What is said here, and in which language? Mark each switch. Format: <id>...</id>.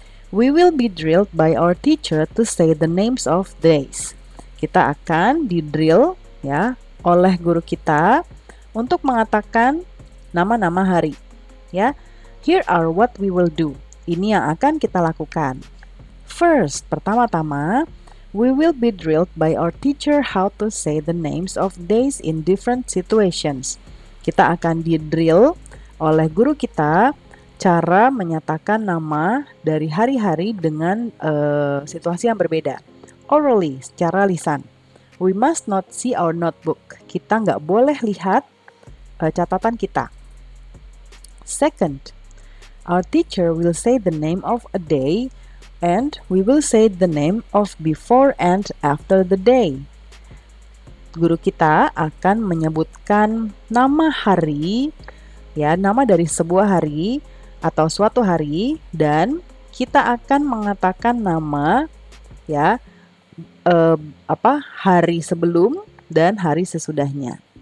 <en>We will be drilled by our teacher to say the names of days.</en> <id>Kita akan di-drill ya oleh guru kita untuk mengatakan nama-nama hari. Ya.</id> <en>Here are what we will do.</en> <id>Ini yang akan kita lakukan.</id> <en>First,</en> <id>pertama-tama,</id> <en>we will be drilled by our teacher how to say the names of days in different situations.</en> <id>Kita akan di-drill oleh guru kita cara menyatakan nama dari hari-hari dengan situasi yang berbeda.</id> <en>orally,</en> <id>secara lisan.</id> <en>We must not see our notebook.</en> <id>Kita nggak boleh lihat catatan kita.</id> <en>Second, our teacher will say the name of a day and we will say the name of before and after the day.</en> <id>Guru kita akan menyebutkan nama hari, ya, nama dari sebuah hari atau suatu hari, dan kita akan mengatakan nama, ya, hari sebelum dan hari sesudahnya.</id>